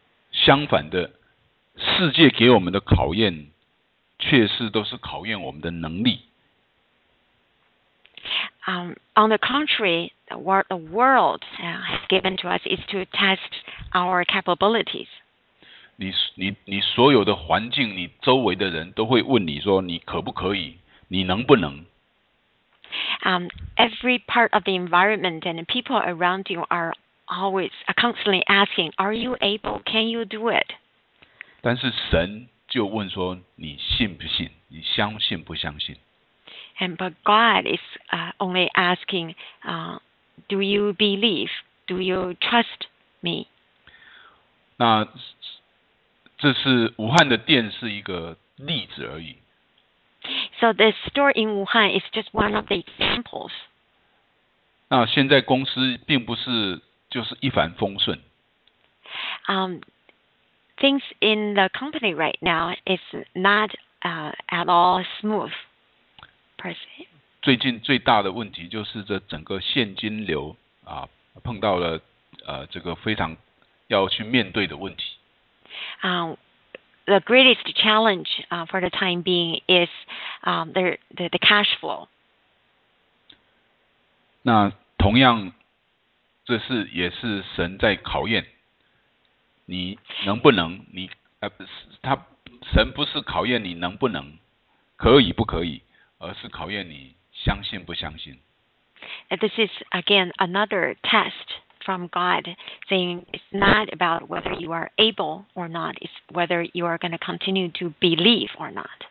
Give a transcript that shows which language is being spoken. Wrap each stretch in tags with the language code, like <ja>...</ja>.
<zh>相反的，世界给我们的考验却是都是考验我们的能力。</zh> <en>On the contrary, what the world has given to us is to test our capabilities.</en> <zh>你所有的环境，你周围的人都会问你说你可不可以，你能不能？</zh> <en>Every part of the environment and the people around you are always constantly asking, "Are you able? Can you do it?"</en> <zh>但是神就问说你信不信，你相信不相信。</zh> <en>And but God is only asking do you believe, do you trust me?</en> <zh>那这是武汉的店是一个例子而已。</zh> <en>So the store in Wuhan is just one of the examples.</en> <zh>那现在公司并不是就是一帆风顺。</zh> <en>Things in the company right now is not at all smooth.</en> <zh>最近最大的问题就是这整个现金流碰到了这个非常要去面对的问题。</zh> <en>The greatest challenge for the time being is the cash flow.</en> <zh>那同样这是也是神在考验你能不能你他神不是考验你能不能可以不可以，而是考验你相信不相信。</zh> <en>This is again another test from God saying it's not about whether you are able or not, it's whether you are going to continue to believe or not.</en>